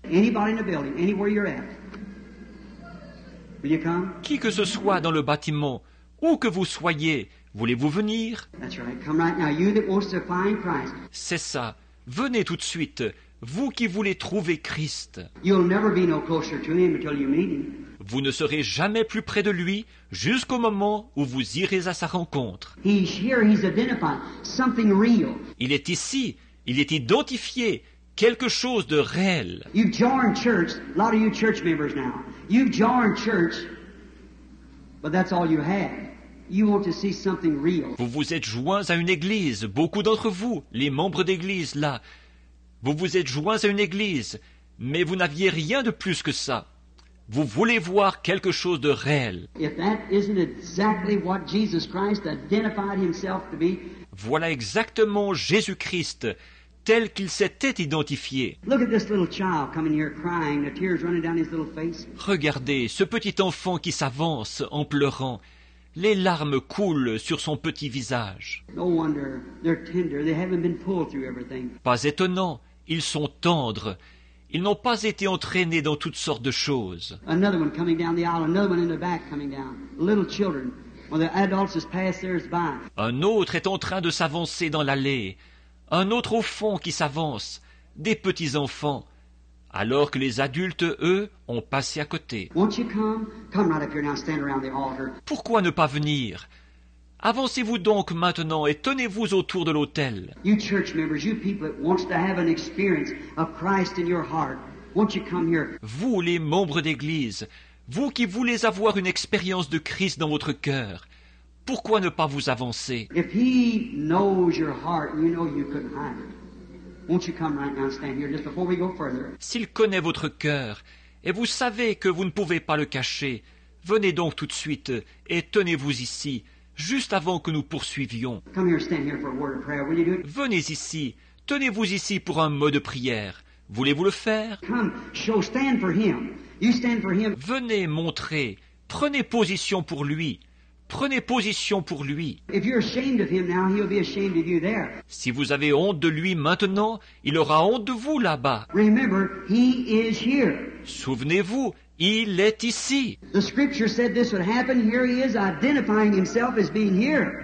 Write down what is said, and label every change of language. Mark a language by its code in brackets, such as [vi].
[en] Anybody in the building, anywhere you're at, will you come? [fr] Qui que ce soit dans le bâtiment, où que vous soyez, voulez-vous venir? [en] That's right. Come right now. You that wants to find Christ. [fr] C'est ça. Venez tout de suite. Vous qui voulez trouver Christ. [en] You'll never be no closer to him until you meet him. [fr] Vous ne serez jamais plus près de lui jusqu'au moment où vous irez à sa rencontre. [en] He's here. He's identified. Something real. [fr] Il est ici. Il est identifié. Quelque chose de réel. [en] You've joined church. A lot of you church members now. You've joined church, but that's all you have. You want to see something real. [fr] Vous vous êtes joints à une église, beaucoup d'entre vous, les membres d'église là. Vous vous êtes joints à une église, mais vous n'aviez rien de plus que ça. Vous voulez voir quelque chose de réel. [en] If that isn't exactly what Jesus Christ identified himself to be. [fr] Voilà exactement Jésus-Christ tel qu'il s'était identifié. [en] Look at this little child coming here crying, the tears running down his little face. [fr] Regardez ce petit enfant qui s'avance en pleurant. Les larmes coulent sur son petit visage. [en] No wonder, they're tender. They haven't been pulled through everything. [fr] Pas étonnant, ils sont tendres. Ils n'ont pas été entraînés dans toutes sortes de choses. [en] Another one coming down the aisle, another one in the back coming down. Little children. When the adults just pass there, it's by. [fr] Un autre est en train de s'avancer dans l'allée. Un autre au fond qui s'avance. Des petits-enfants. Alors que les adultes, eux, ont passé à côté. [en] Won't you come? Come right up here now, stand around the altar. [fr] Pourquoi ne pas venir? Avancez-vous donc maintenant et tenez-vous autour de l'autel. [en] You church members, you people that wants to have an experience of Christ in your heart, won't you come here? [fr] Vous, les membres d'église, vous qui voulez avoir une expérience de Christ dans votre cœur, pourquoi ne pas vous avancer? [en] If he knows your heart, you know you couldn't hide it. Won't you come right now and stand here just before we go further? [fr] S'il connaît votre cœur et vous savez que vous ne pouvez pas le cacher, venez donc tout de suite et tenez-vous ici. Juste avant que nous poursuivions. [en] Come here, stand here for a word of prayer. Will you do it? [fr] Venez ici. Tenez-vous ici pour un mot de prière. Voulez-vous le faire? [en] Come, show, stand for him. You stand for him. [fr] Venez montrer. Prenez position pour lui. Prenez position pour lui. [en] If you're ashamed of him now, he'll be ashamed of you there. [fr] Si vous avez honte de lui maintenant, il aura honte de vous là-bas. [en] Remember, he is here. [fr] Souvenez-vous. Il est ici. [en] The scripture said this would happen. Here he is identifying himself as being here.